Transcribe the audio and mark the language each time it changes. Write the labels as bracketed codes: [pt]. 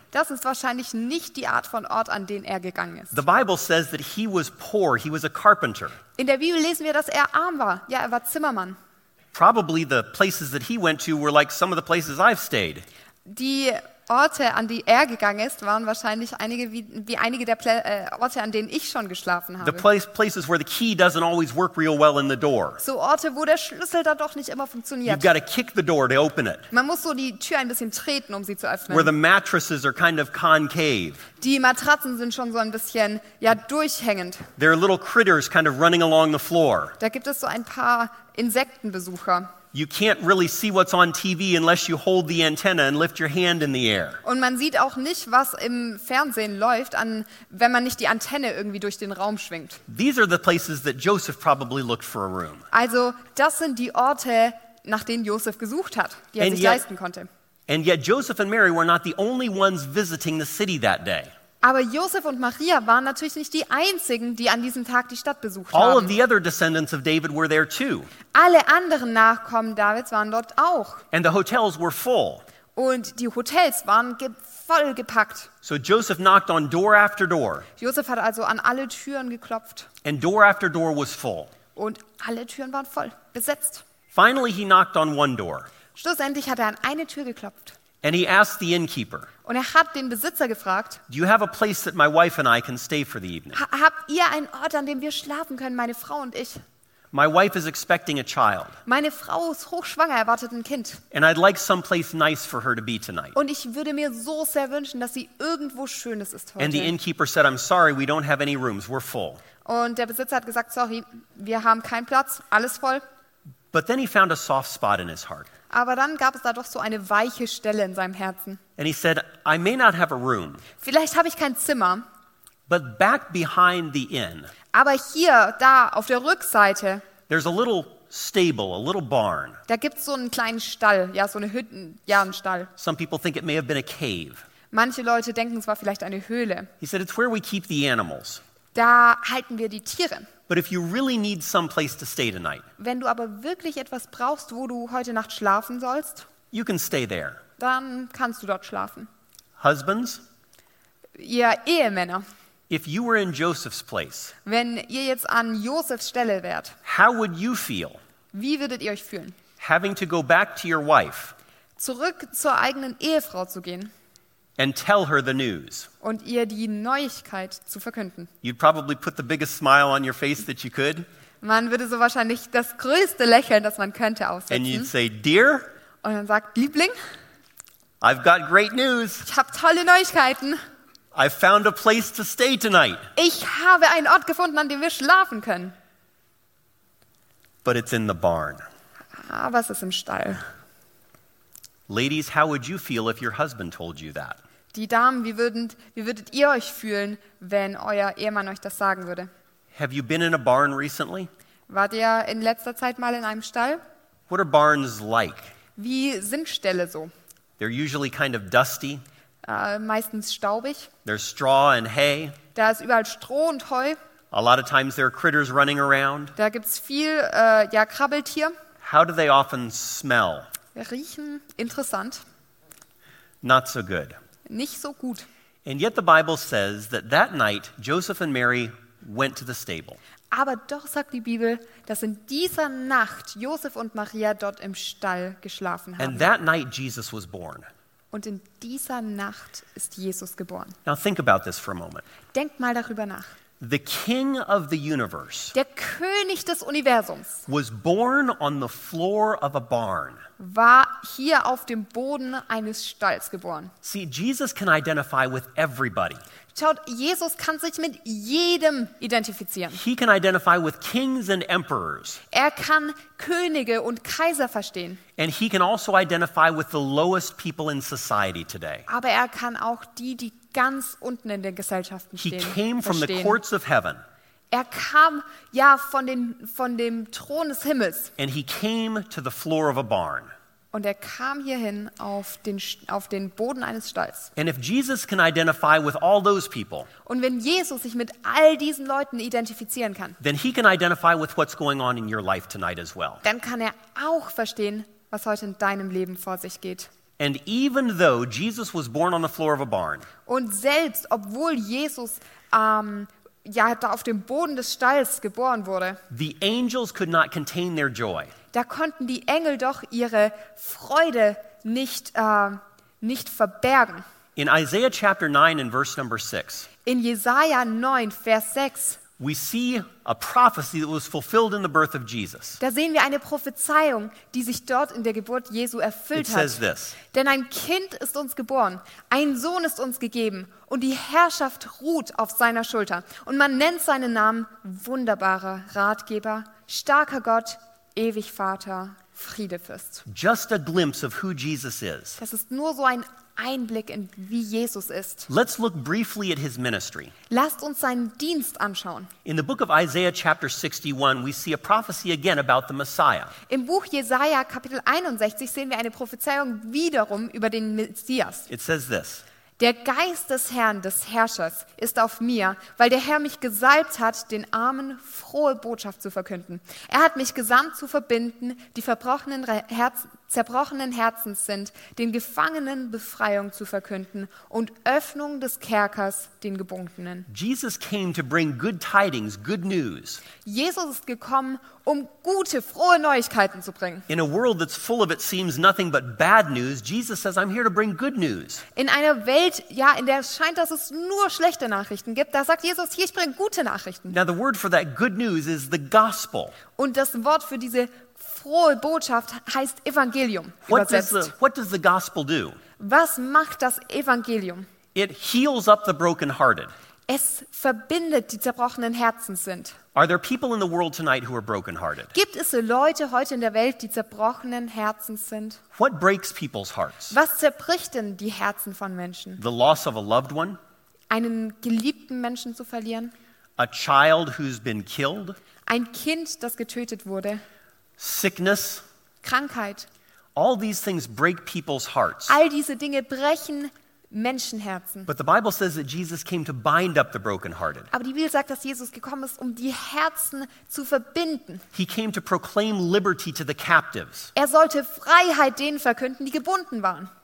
[de] Das ist wahrscheinlich nicht die Art von Ort, an den er gegangen ist. [en] The Bible says that he was poor. He was a carpenter. [de] In der Bibel lesen wir, dass er arm war. Ja, er war Zimmermann. [en] Probably the places that he went to were like some of the places I've stayed. [de] Die Orte, an die er gegangen ist, waren wahrscheinlich einige wie einige der Orte, an denen ich schon geschlafen habe. [en] The places where the key doesn't always work real well in the door. [de] So Orte, wo der Schlüssel da doch nicht immer funktioniert. [en] You've got to kick the door to open it. [de] Man muss so die Tür ein bisschen treten, um sie zu öffnen. [en] Where the mattresses are kind of concave. [de] Die Matratzen sind schon so ein bisschen, ja, durchhängend. [en] There are little critters kind of running along the floor. [de] Da gibt es so ein paar Insektenbesucher. [en] You can't really see what's on TV unless you hold the antenna and lift your hand in the air. [de] Und man sieht auch nicht, was im Fernsehen läuft, wenn man nicht die Antenne irgendwie durch den Raum schwingt. [en] These are the places that Joseph probably looked for a room. [de] Also, das sind die Orte, nach denen Joseph gesucht hat, die er sich leisten konnte. [en] And yet Joseph and Mary were not the only ones visiting the city that day. [de] Aber Josef und Maria waren natürlich nicht die einzigen, die an diesem Tag die Stadt besucht [en] All [de] haben. [en] Of the other descendants of David were there too. [de] Alle anderen Nachkommen Davids waren dort auch. [en] And the hotels were full. [de] Und die Hotels waren voll gepackt. [en] So Joseph knocked on door after door. [de] Josef hat also an alle Türen geklopft. [en] And door after door was full. [de] Und alle Türen waren voll, besetzt. [en] Finally he knocked on one door. [de] Schlussendlich hat er an eine Tür geklopft. [en] And he asked the innkeeper. [de] Und er hat den Besitzer gefragt. [en] Do you have a place that my wife and I can stay for the evening? [de] Habt ihr einen Ort, an dem wir schlafen können, meine Frau und ich? [en] My wife is expecting a child. [de] Meine Frau ist hochschwanger, erwartet ein Kind. [en] And I'd like some place nice for her to be tonight. [de] Und ich würde mir so sehr wünschen, dass sie irgendwo schönes ist heute. [en] And the innkeeper said, I'm sorry, we don't have any rooms. We're full. [de] Und der Besitzer hat gesagt, sorry, wir haben keinen Platz, alles voll. [en] But then he found a soft spot in his heart. [de] Aber dann gab es da doch so eine weiche Stelle in seinem Herzen. [en] And he said, I may not have a room. [de] Vielleicht habe ich kein Zimmer. [en] But back behind the inn. [de] Aber hier, da, auf der Rückseite. [en] There's a little stable, a little barn. [de] Da gibt's so einen kleinen Stall, ja, so eine Hütte, ja, einen Stall. [en] Some people think it may have been a cave. [de] Manche Leute denken, es war vielleicht eine Höhle. [en] He said, it's where we keep the animals. [de] Da halten wir die Tiere. [en] But if you really need some place to stay tonight. [de] Wenn du aber wirklich etwas brauchst, wo du heute Nacht schlafen sollst, [en] you can stay there. [de] Dann kannst du dort schlafen. [en] Husbands? [de] Ja, Ehemänner. [en] If you were in Joseph's place. [de] Wenn ihr jetzt an Josefs Stelle wärt. [en] How would you feel? [de] Wie würdet ihr euch fühlen? [en] Having to go back to your wife. [de] Zurück zur eigenen Ehefrau zu gehen. [en] And tell her the news. [de] Und ihr die Neuigkeit zu verkünden. [en] You'd probably put the biggest smile on your face that you could. [de] Man würde so wahrscheinlich das größte Lächeln, das man könnte, aufsetzen. [en] And you'd say, dear. [de] Und dann sagt, Liebling. [en] I've got great news. [de] Ich habe tolle Neuigkeiten. [en] I found a place to stay tonight. [de] Ich habe einen Ort gefunden, an dem wir schlafen können. [en] But it's in the barn. [de] Aber es ist im Stall. [en] Ladies, how would you feel if your husband told you that? [de] Die Damen, wie würdet ihr euch fühlen, wenn euer Ehemann euch das sagen würde? [en] Have you been in a barn recently? [de] Wart ihr in letzter Zeit mal in einem Stall? [en] What are barns like? [de] Wie sind Ställe so? [en] They're usually kind of dusty. [de] Meistens staubig. [en] There's straw and hay. [de] Da ist überall Stroh und Heu. [en] A lot of times there are critters running around. [de] Da gibt's viel Krabbeltier. [en] How do they often smell? [de] Riechen interessant. [en] Not so good. [de] Nicht so gut. [en] And yet the Bible says that that night Joseph and Mary went to the stable. [de] Aber doch sagt die Bibel, dass in dieser Nacht Josef und Maria dort im Stall geschlafen haben. [en] And that night Jesus was born. [de] Und in dieser Nacht ist Jesus geboren. [en] Now think about this for a moment. [de] Denkt mal darüber nach. [en] The king of the universe, [de] der König des Universums, [en] was born on the floor of a barn, [de] war hier auf dem Boden eines Stalls geboren. [en] See, Jesus can identify with everybody. [de] Schaut, Jesus kann sich mit jedem identifizieren. [en] He can identify with kings and emperors. [de] Er kann Könige und Kaiser verstehen. [en] And he can also identify with the lowest people in society today. [de] Aber er kann auch die, die ganz unten in den Gesellschaften stehen, verstehen. [en] He came from [de] verstehen. [en] The courts of heaven. [de] Er kam ja von dem Thron des Himmels. [en] And he came to the floor of a barn. [de] Und er kam hierhin auf den Boden eines Stalls. [en] And if Jesus can identify with all those people, [de] und wenn Jesus sich mit all diesen Leuten identifizieren kann, [en] then he can identify with what's going on in your life tonight as well. [de] Dann kann er auch verstehen, was heute in deinem Leben vor sich geht. [en] And even though Jesus was born on the floor of a barn, [de] und selbst obwohl Jesus ja da auf dem Boden des Stalls geboren wurde, [en] the angels could not contain their joy. [de] Da konnten die Engel doch ihre Freude nicht nicht verbergen. [en] In Isaiah chapter 9 and verse number 6. [de] In Jesaja 9 Vers 6. [en] We see a prophecy that was fulfilled in the birth of Jesus. [de] Da sehen wir eine Prophezeiung, die sich dort in der Geburt Jesu erfüllt [en] it [de] hat. [en] It says this. [de] Denn ein Kind ist uns geboren, ein Sohn ist uns gegeben und die Herrschaft ruht auf seiner Schulter und man nennt seinen Namen wunderbarer Ratgeber, starker Gott, ewig Vater, Friedefürst. [en] Just a glimpse of who Jesus is. [de] Das ist nur so ein Einblick in wie Jesus ist. [en] Let's look briefly at his ministry. [de] Lasst uns seinen Dienst anschauen. [en] In the book of Isaiah chapter 61 we see a prophecy again about the Messiah. [de] Im Buch Jesaja Kapitel 61 sehen wir eine Prophezeiung wiederum über den Messias. [en] It says this. [de] Der Geist des Herrn, des Herrschers, ist auf mir, weil der Herr mich gesalbt hat, den Armen frohe Botschaft zu verkünden. Er hat mich gesandt zu verbinden, die zerbrochenen Herzens sind, den Gefangenen Befreiung zu verkünden und Öffnung des Kerkers den Gebundenen. [en] Jesus came to bring good tidings, good news. [de] Jesus ist gekommen, um gute, frohe Neuigkeiten zu bringen. [en] In a world that's full of it seems nothing but bad news, Jesus says, I'm here to bring good news. [de] In einer Welt, ja, in der es scheint, dass es nur schlechte Nachrichten gibt, da sagt Jesus, hier, ich bringe gute Nachrichten. [en] Now the word for that good news is the gospel. [de] Und das Wort für diese frohe Botschaft heißt Evangelium übersetzt. [en] What does the gospel do? [de] Was macht das Evangelium? [en] It heals up the brokenhearted. [de] Es verbindet die zerbrochenen Herzen sind. [en] Are there people in the world tonight who are brokenhearted? [de] Gibt es Leute heute in der Welt, die zerbrochenen Herzen sind? [en] What breaks people's hearts? [de] Was zerbricht denn die Herzen von Menschen? [en] The loss of a loved one? [de] Einen geliebten Menschen zu verlieren? [en] A child who's been killed? [de] Ein Kind, das getötet wurde? [en] Sickness, [de] Krankheit. [en] All these things break people's hearts. [de] All diese Dinge brechen Menschenherzen. [en] But the Bible says that Jesus came to bind up the brokenhearted. [de] Aber die Bibel sagt, dass Jesus gekommen ist, um die Herzen zu verbinden. [en] He came to proclaim liberty to the captives. [de] Er sollte Freiheit denen verkünden, die gebunden waren.